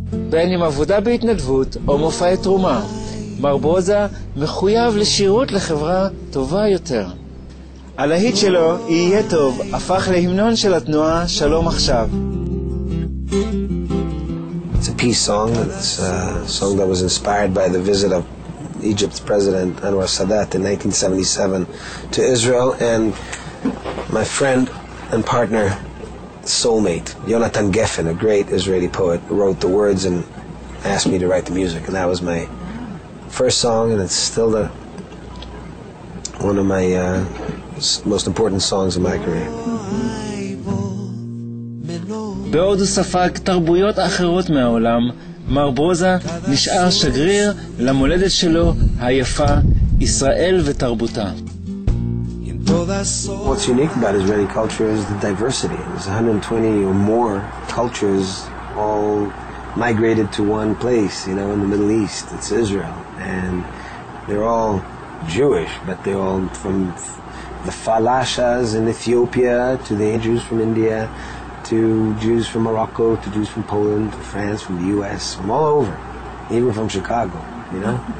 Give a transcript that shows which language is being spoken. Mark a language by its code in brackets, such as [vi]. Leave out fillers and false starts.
[he] בין אם עבודה בהתנדבות או מופעי תרומה, מר ברוזה מחויב לשירות לחברה טובה יותר. הלהיט שלו, יהיה טוב, הפך להמנון של התנועה שלום עכשיו. [en] It's a peace song. It's a song that was inspired by the visit of Egypt's president Anwar Sadat in 1977 to Israel, and my friend and partner, soulmate, Yonatan Geffen, a great Israeli poet, wrote the words and asked me to write the music, and that was my first song, and it's still one of my most important songs in my career. [he] בעוד הוא ספג תרבויות אחרות מהעולם, מר ברוזה נשאר שגריר למולדת שלו היפה, ישראל ותרבותה. [en] What's unique about Israeli culture is the diversity. There's 120 or more cultures all migrated to one place, you know, in the Middle East. It's Israel. And they're all Jewish, but they're all from the Falashas in Ethiopia to the Jews from India to Jews from Morocco to Jews from Poland to France, from the US, from all over, even from Chicago, you know.